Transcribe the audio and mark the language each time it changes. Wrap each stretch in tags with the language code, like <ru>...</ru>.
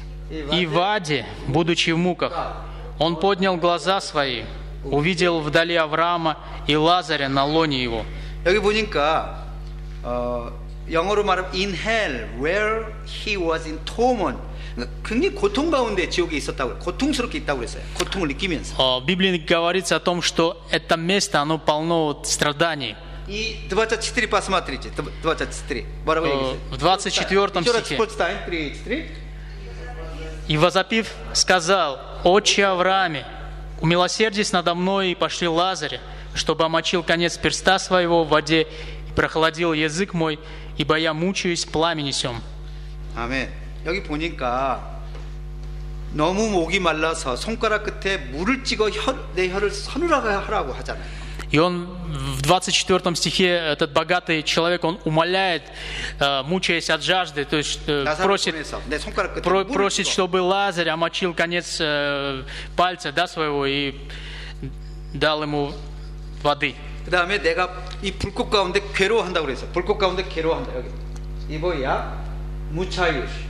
<ru>И в аде, будучи в муках, он поднял глаза свои, увидел вдали Авраама и Лазаря на лоне его.</ru> <ko>여기 보니까 영어로 말하면</ko> <en>in hell where he was in torment.</en> <ko>굉장히 고통 가운데 지옥에 있었다고 고통스럽게 있다고 그랬어요. 고통을 느끼면서.</ko> <ru>비블리에 говорится о том, что это место оно полно страданий.</ru> <ko>이 24</ko> <ru>посмотрите.</ru> <ko>24. 뭐라고 얘기했어요?</ko> <ru>24. И возопив сказал: Отче Аврааме, умилосердись надо мной и пошли Лазаря, чтобы омочил конец перста своего в воде и прохладил язык мой, ибо я мучаюсь пламени сём. Аминь.</ru> <ko>여기 보니까 너무 목이 말라서 손가락 끝에 물을 찍어 혀, 내 혀를 서누라고 하라고 하잖아요.</ko> <ru>И он в 24 стихе этот богатый человек он умоляет, мучаясь от жажды, то есть просит, просит, чтобы Лазарь омочил конец пальца, да, своего и дал ему воды.</ru> <ko>그다음에 내가 이 불꽃 가운데 괴로워한다 그랬어. 불꽃 가운데 괴로워한다 여기. 이 뭐야? 무차유.</ko>